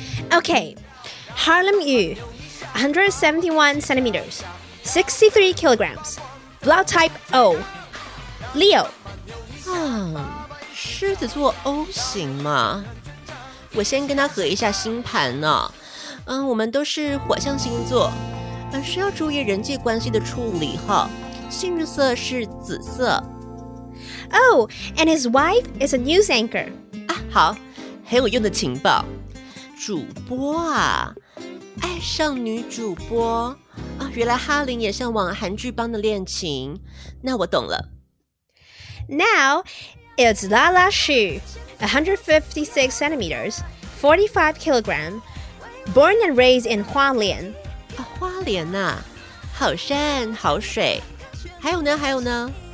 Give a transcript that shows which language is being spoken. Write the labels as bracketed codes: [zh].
[en] OK， Harlem Yu 171cm 63kg Blood type O Leo。 [zh] 啊，狮子座 O 型吗？我先跟他合一下星盘呢。嗯，我们都是火象星座，需要注意人际关系的处理哈。幸运色是紫色。 [en] Oh, and his wife is a news anchor. [zh] 啊，好，很有用的情报。主播啊，爱上女主播啊，原来哈林也向往韩剧般的恋情。那我懂了。 [en] Now, it's Lala Shu, 156cm, 45kg, born and raised in Hualien. [zh] 啊，花莲啊，好山好水。还有呢，还有呢。